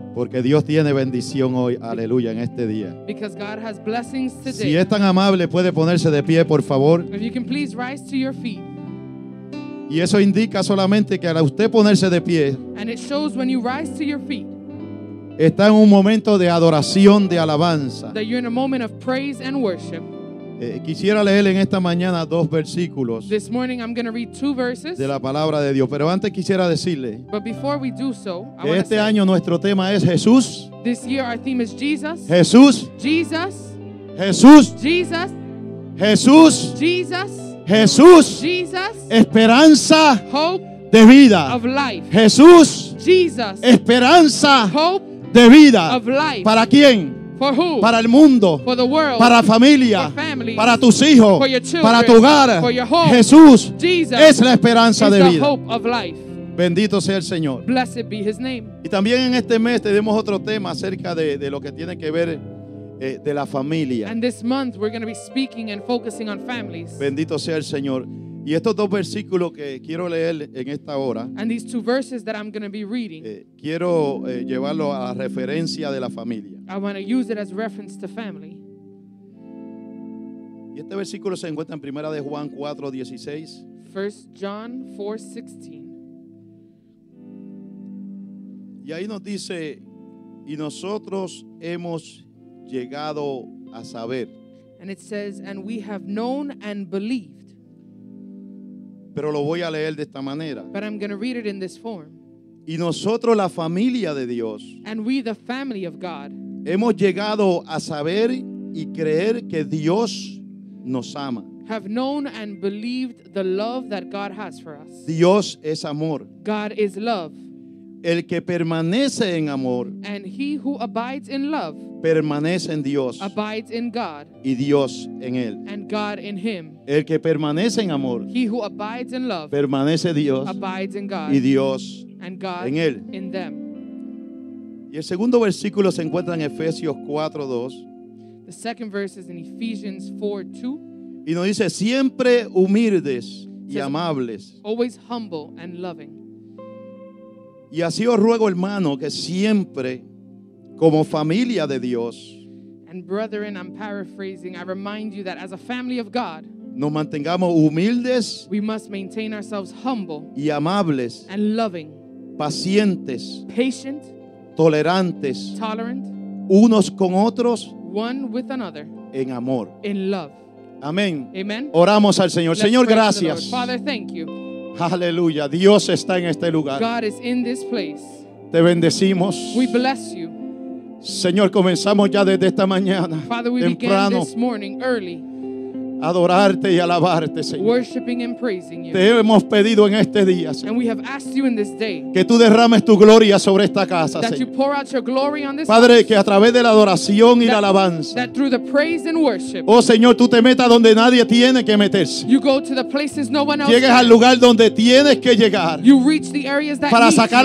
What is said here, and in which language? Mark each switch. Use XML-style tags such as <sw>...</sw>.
<es>Porque Dios tiene bendición hoy, aleluya, en este día.</es> <en>Because God has blessings today.</en> <es>Si es tan amable, puede ponerse de pie, por favor.</es> <en>If you can please rise to your feet.</en> <es>Y eso indica solamente que al usted ponerse de pie,</es> <en>and it shows when you rise to your feet,</en> <es>está en un momento de adoración, de alabanza.</es> <en>That you're in a moment of praise and worship.</en> <es>Quisiera leer en esta mañana dos versículos.</es> <en>This morning I'm going to read two verses</en> <es>de la palabra de Dios. Pero antes quisiera decirle,</es> <en>but before we do so,</en> <es>que este año nuestro tema es Jesús.</es> <en>This year our theme is Jesus.</en> <es>Jesús.</es> <en>Jesus.</en> <es>Jesús.</es> <en>Jesus.</en> <es>Jesús.</es> <en>Jesus.</en> <es>Jesús.</es> <en>Jesus.</en> <es>Esperanza.</es> <en>Hope.</en> <es>De vida.</es> <en>Of life.</en> <es>Jesús.</es> <en>Jesus.</en> <es>Esperanza.</es> <en>Hope.</en> <es>De vida.</es> <en>Of life.</en> <es>¿Para quién?</es> <en>For who?</en> <es>Para el mundo.</es> <en>For the world.</en> <es>Para familia.</es> <en>For families.</en> <es>Para tus hijos.</es> <en>For your children.</en> <es>Para tu hogar.</es> <en>For your home.</en> <es>Jesús.</es> <en>Jesus</en> <es>es la esperanza</es> <en>is</en> <es>de vida.</es> <en>The hope of life.</en> <es>Bendito sea el Señor.</es> <en>Blessed be his name.</en> <es>Y también en este mes tenemos otro tema acerca de lo que tiene que ver de la familia.</es> <en>And this month we're going to be speaking and focusing on families.</en> <es>Bendito sea el Señor. Y estos dos versículos que quiero leer en esta hora,</es> <en>and these two verses that I'm going to be reading,</en> <es>quiero llevarlo a la referencia de la familia.</es> <en>I want to use it as reference to family.</en> <es>Y este versículo se encuentra en Primera de Juan 4:16.</es> <en>1 John 4:16.</en> <es>Y ahí nos dice, y nosotros hemos llegado a saber.</es> <en>And it says, and we have known and believed.</en> <es>Pero lo voy a leer de esta manera.</es> <en>But I'm going to read it in this form.</en> <es>Y nosotros, la familia de Dios,</es> <en>and we, the family of God,</en> <es>hemos llegado a saber y creer que Dios nos ama.</es> <en>Have known and believed the love that God has for us.</en> <es>Dios es amor.</es> <en>God is love.</en> <es>El que permanece en amor,</es> <en>and he who abides in love,</en> <es>permanece en Dios,</es> <en>abides in God,</en> <es>y Dios en él,</es> <en>and God in him.</en> <es>El que permanece en amor,</es> <en>he who abides in love,</en> <es>permanece Dios,</es> <en>abides in God,</en> <es>y Dios</es> <en>and God</en> <es>en él,</es> <en>in them.</en> <es>Y el segundo versículo se encuentra en Efesios 4:2.</es> <en>The second verse is in Ephesians 4:2.</en> <es>Y nos dice, siempre humildes y amables,</es> <en>always humble and loving.</en> <es>Y así os ruego, hermano, que siempre, como familia de Dios,</es> <en>and brethren, I'm paraphrasing, I remind you that as a family of God,</en> <es>nos mantengamos humildes,</es> <en>we must maintain ourselves humble,</en> <es>y amables,</es> <en>and loving,</en> <es>pacientes,</es> <en>patient,</en> <es>tolerantes,</es> <en>tolerant,</en> <es>unos con otros,</es> <en>one with another,</en> <es>en amor,</es> <en>in love.</en> <es>Amén.</es> <en>Amen.</en> <es>Oramos al Señor.</es> <en>Let's</en> <es>Señor, gracias.</es> <en>Father, thank you.</en> <es>Aleluya, Dios está en este lugar.</es> <en>God is in this place.</en> <es>Te bendecimos.</es> <en>We bless you.</en> <es>Señor, comenzamos ya desde esta mañana,</es> <en>Father, we</en> <es>temprano,</es> <en>began this morning early,</en> <es>adorarte y alabarte, Señor.</es> <en>Worshiping and praising you.</en> <es>Te hemos pedido en este día, Señor,</es> <en>and we have asked you in this day,</en> <es>que tú derrames tu gloria sobre esta casa,</es> <en>that</en> <es>Señor,</es> <en>you pour out your glory on this,</en> <es>Padre,</es> <en>house,</en> <es>que a través de la adoración y la alabanza,</es> <en>that through the praise and worship,</en> <es>oh Señor, tú te metas donde nadie tiene que meterse.</es> <en>You go to the places no one else,</en> <es>llegues al lugar donde tienes que llegar,</es> <en>you reach the areas that</en> <es>para sacar</es>